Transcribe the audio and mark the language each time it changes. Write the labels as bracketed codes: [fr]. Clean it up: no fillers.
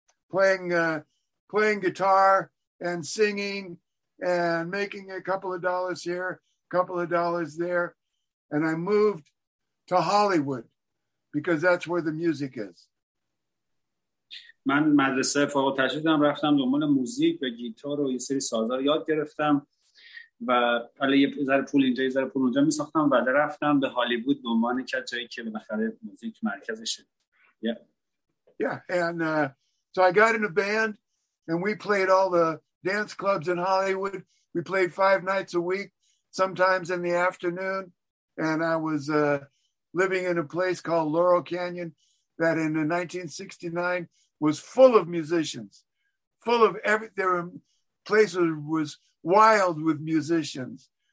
[en] Playing guitar and singing and making a couple of dollars here, a couple of dollars there. And I moved to Hollywood because that's where the music is. [fa] من مدرسه فوق التحصیلی دارم، رفتم دنبال موزیک و گیتار و یه سری سازا یاد گرفتم و حالا یه ذره پول اینجا یه ذره پول اونجا می‌ساختم و بعد رفتم به هالیوود به عنوان کسی جایی که بالاخره موزیک مرکزشه. [en] So I got in a band and we played all the dance clubs in Hollywood. We played 5 nights a week, sometimes in the afternoon. And I was living in a place called Laurel Canyon that in 1969 was full of musicians, full of every, there were places was wild with musicians.